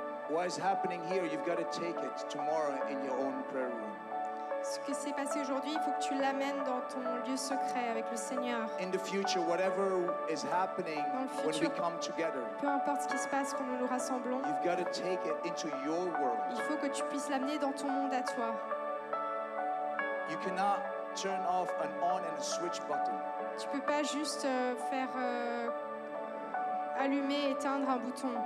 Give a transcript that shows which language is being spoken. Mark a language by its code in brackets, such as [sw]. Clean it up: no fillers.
[en] What is happening here, you've got to take it tomorrow in your own prayer room. [fr] Ce qui s'est passé aujourd'hui, il faut que tu l'amènes dans ton lieu secret avec le Seigneur. [en] In the future, whatever is happening future, when we come together, [fr] peu importe ce qui se passe quand nous nous rassemblons, [en] you've got to take it into your world. [fr] Il faut que tu puisses l'amener dans ton monde à toi. [en] You cannot turn off an on and a switch button. [fr] Tu peux pas juste faire allumer, éteindre un bouton.